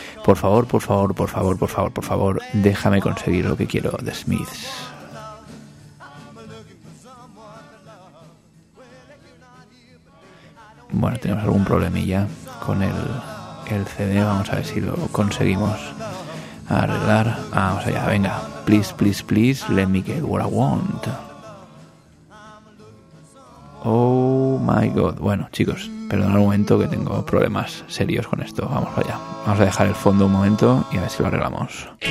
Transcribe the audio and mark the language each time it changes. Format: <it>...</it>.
<es>Por favor, por favor, por favor, por favor, por favor, déjame conseguir lo que quiero de Smiths. Bueno, tenemos algún problemilla con el CD. Vamos a ver si lo conseguimos arreglar. Ah, vamos allá, venga.</es> <en>Please, please, please, let me get what I want. Oh my god.</en> <es>Bueno, chicos, perdonad un momento que tengo problemas serios con esto. Vamos allá. Vamos a dejar el fondo un momento y a ver si lo arreglamos.</es>